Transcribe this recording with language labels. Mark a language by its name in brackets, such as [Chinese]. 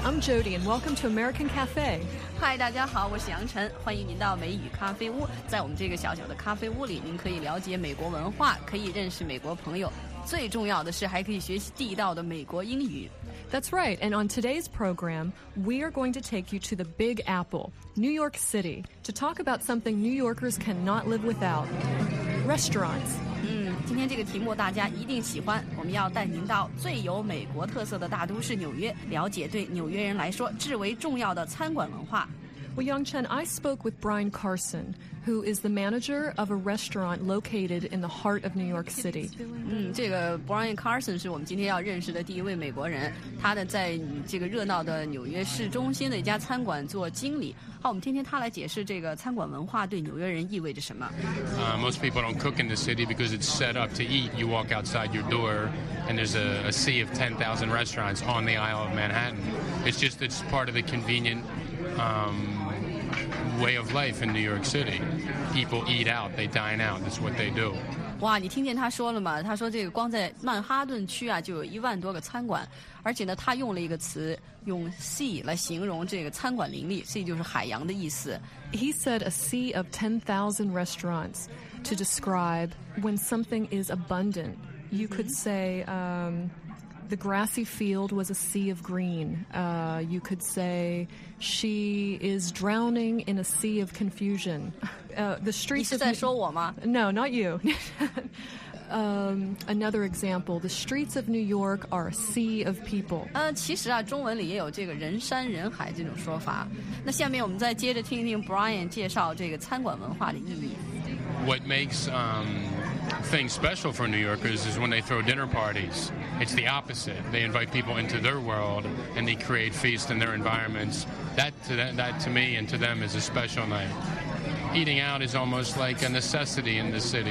[English] I'm Jody, and welcome to American Cafe. [Chinese] Hi, 大家好，我是杨晨，欢迎您到美语咖啡屋。在我们这个小小的咖啡屋里，您可以了解美国文化，可以认识美国朋友，最重要的是还可以学习地道的美国英语。 [English] That's right. And on today's program, we are going to take you to the Big Apple, New York City, to talk about something New Yorkers cannot live without: restaurants. [Chinese] 今天这个题目大家一定喜欢，我们要带您到最有美国特色的大都市纽约，了解对纽约人来说至为重要的餐馆文化。 [English] Well, Yongchen, I spoke with Brian Carson, who is the manager of a restaurant located in the heart of New York City. [Chinese] 这个 Brian Carson 是我们今天要认识的第一位美国人，他的在这个热闹的纽约市中心的一家餐馆做经理。好，我们听听他来解释这个餐馆文化对纽约人意味着什么。 [English] Most people don't cook in the city because it's set up to eat. You walk outside your door, and there's a sea of 10,000 restaurants on the Isle of Manhattan. It's just it's part of the convenientway of life in New York City. People eat out, they dine out, that's what they do. [Chinese] 哇，你听见他说了吗？他说这个光在曼哈顿区啊，就有10,000多个餐馆，而且呢，他用了一个词，用 sea 来形容这个餐馆林立 ，sea 就是海洋的意思。 [English] He said a sea of 10,000 restaurants to describe when something is abundant. You could say, The grassy field was a sea of green. You could say she is drowning in a sea of confusion. The streets. [Chinese] 你是在说我吗？ [English] No, not you. another example: the streets of New York are a sea of people. [Chinese] 其实啊，中文里也有这个人山人海这种说法。那下面我们再接着听一听 Brian 介绍这个餐馆文化的意义。 [English] What makes things special for New Yorkers is when they throw dinner parties. It's the opposite. They invite people into their world and they create feasts in their environments. That to me and to them is a special night. Eating out is almost like a necessity in the city.